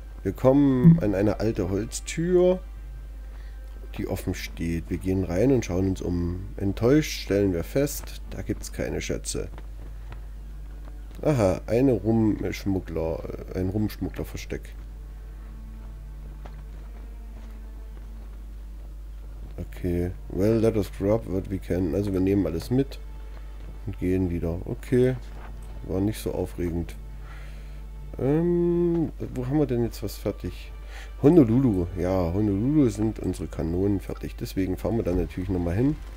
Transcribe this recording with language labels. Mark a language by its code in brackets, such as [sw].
[de] Wir kommen an eine alte Holztür, die offen steht. Wir gehen rein und schauen uns um. Enttäuscht stellen wir fest, da gibt's keine Schätze. Aha, eine Rumschmuggler, ein Rumschmugglerversteck. [en] Okay, well, let us grab what we can. [de] Also wir nehmen alles mit und gehen wieder. Okay, war nicht so aufregend. Wo haben wir denn jetzt was fertig? Honolulu, ja, Honolulu sind unsere Kanonen fertig. Deswegen fahren wir dann natürlich nochmal hin.